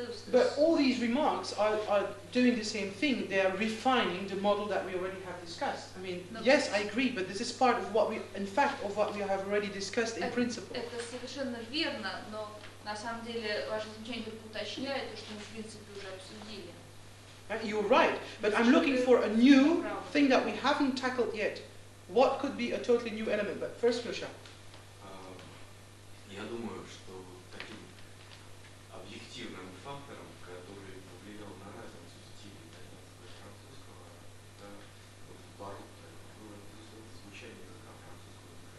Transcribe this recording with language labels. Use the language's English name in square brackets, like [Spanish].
[English] But all these remarks are doing the same thing. They are refining the model that we already have discussed. I mean, yes, I agree, but this is part of what we, in fact, of what we have already discussed in principle. [Russian] Это совершенно верно, но на самом деле ваше замечание уточняет то, что мы в принципе уже обсудили. [English] You're right, but I'm looking for a new thing that we haven't tackled yet. What could be a totally new element? But first, Lucia. [Russian] Я думаю, что таким объективным фактором, который повлиял на разницу стилей итальянского и французского, это вот барокко, было звучание языка французского.